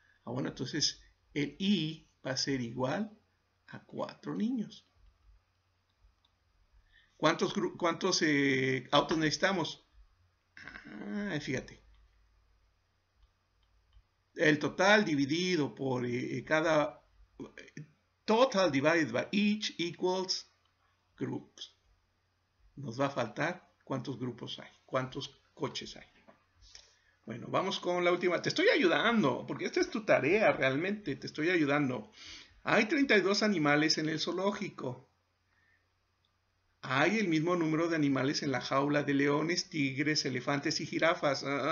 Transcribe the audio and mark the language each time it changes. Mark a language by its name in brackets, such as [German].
[Spanish] Ah, bueno, entonces el I va a ser igual a 4 niños. ¿Cuántos autos necesitamos? Ah, fíjate. El total dividido por cada. [English] Total divided by each equals groups. [Spanish] Nos va a faltar cuántos grupos hay, cuántos coches hay. Bueno, vamos con la última. Te estoy ayudando, porque esta es tu tarea realmente, te estoy ayudando. Hay 32 animales en el zoológico. Hay el mismo número de animales en la jaula de leones, tigres, elefantes y jirafas.